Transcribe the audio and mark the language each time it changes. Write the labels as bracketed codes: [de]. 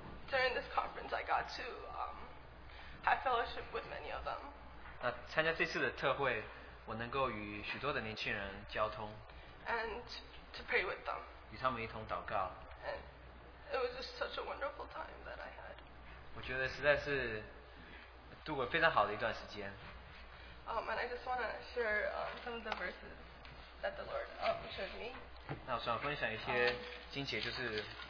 [en] So during this conference, I got to have fellowship with many of them. [zh] 参加这次的特会，我能够与许多的年轻人交通。 [en] And to pray with them. [zh] 与他们一同祷告。 [en] And it was just such a wonderful time that I had. [zh] 我觉得实在是度过非常好的一段时间。 [en] And I just want to share some of the verses that the Lord showed me. [zh] 那我想分享一些经节，就是。